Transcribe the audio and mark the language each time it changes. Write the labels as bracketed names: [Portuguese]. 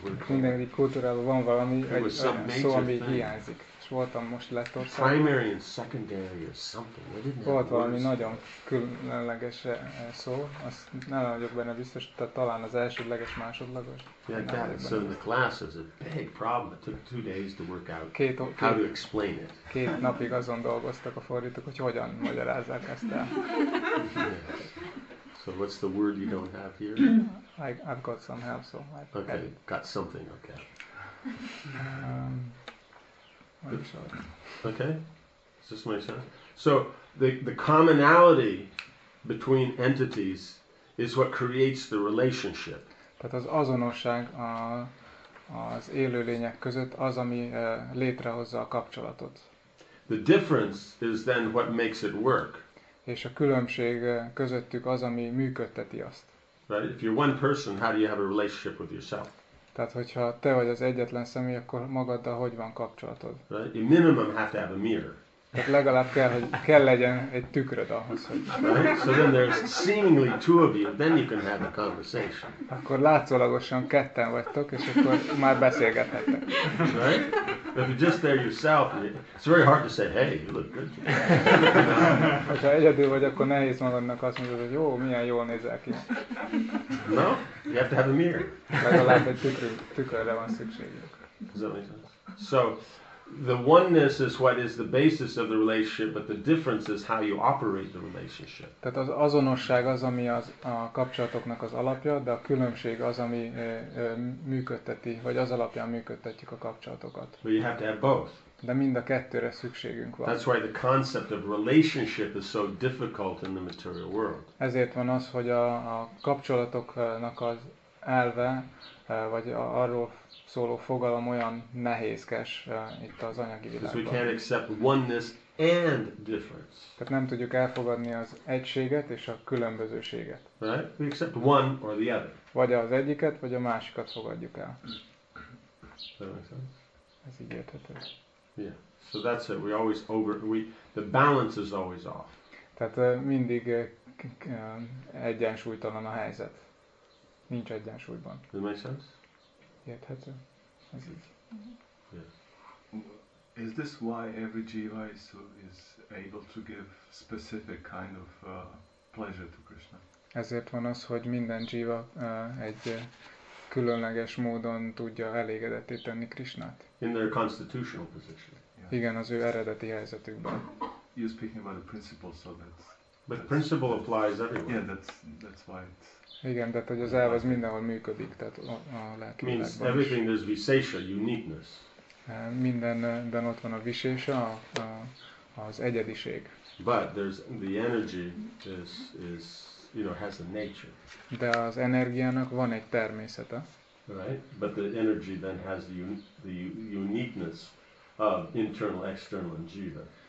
[Hungarian] Mindenki kultúrában van valami, egy szó, ami hiányzik. És voltam most Lettországban. [English] Primary and secondary or something. [Hungarian] Volt valami nagyon különleges szó, azt nem vagyok benne biztos, tehát talán az elsődleges, másodlagos. [English] Yeah, that, so in the class is a big problem. It took 2 days to work out how to explain it. [Hungarian] Két napig azon dolgoztak a fordítók, hogy hogyan magyarázzák ezt el. [English] So what's the word you don't have here? I've got some help, so I've okay, got something, okay. Okay, does this make sense? So the commonality between entities is what creates the relationship. [Hungarian] Tehát az azonosság az élőlények között az, ami létrehozza a kapcsolatot. [English] The difference is then what makes it work. [Hungarian] És a különbség közöttük az, ami működteti azt. [English] Right? If you're one person, how do you have a relationship with yourself? [Hungarian] Tehát, hogyha te vagy az egyetlen személy, akkor magaddal hogy van kapcsolatod? [English] Right? You minimum have to have a mirror. [Hungarian] Tehát legalább kell, hogy kell legyen egy tükröd ahhoz, hogy... [English] Right? So then there's seemingly two of you, then you can have a conversation. [Hungarian] Akkor látszólagosan ketten vagytok, és akkor már beszélgethettek. [English] Right? If you're just there yourself, it's very hard to say, hey, you look good. [Hungarian] Hogyha egyedül vagy, akkor nehéz magadnak azt mondod, hogy jó, milyen jól nézel ki. [English] No, you have to have a mirror. [Hungarian] Legalább egy tükörre van szükségük. [English] So, the oneness is what is the basis of the relationship, but the difference is how you operate the relationship. [Hungarian] Tehát az azonosság az, ami az a kapcsolatoknak az alapja, de a különbség az, ami működteti, vagy az alapján működtetjük a kapcsolatokat. [English] But you have to have both. [Hungarian] De mind a kettőre szükségünk van. [English] That's why the concept of relationship is so difficult in the material world. [Hungarian] Ezért van az, hogy a kapcsolatoknak az elve, vagy arról szóló fogalom olyan nehézkes itt az anyagi világban. [English] We can't accept oneness and difference. [Hungarian] Tehát nem tudjuk elfogadni az egységet és a különbözőséget. [English] Right? We accept one or the other. [Hungarian] Vagy az egyiket, vagy a másikat fogadjuk el. Ez így érthető. [English] Yeah. So that's it. We always over we the balance is always off. [Hungarian] Tehát mindig egyensúlytalan a helyzet. nincs egyensúlyban. [English] Does it make sense? [Hungarian] Érthető? Ez így. [English] Yes. Is this why every jiva is able to give specific kind of pleasure to Krishna? [Hungarian] Ezért van az, hogy minden jiva egy különleges módon tudja elégedetté tenni Krishnát. [English] In their constitutional position. [Hungarian] Igen, az ő eredeti helyzetükben. [English] You're speaking about a principle, so that's... But the principle applies everywhere. Yeah, that's why it's... [Hungarian] Igen, de hogy az elv az mindenhol működik, tehát a lelki [English] means [Hungarian] világban [English] everything is visesha, uniqueness. [Hungarian] Mindenben ott van a visesha, az egyediség. [English] But there's the energy is you know has a nature. [Hungarian] De az energiának van egy természete. [English] Right, but the energy then has the uniqueness of internal, external and jiva.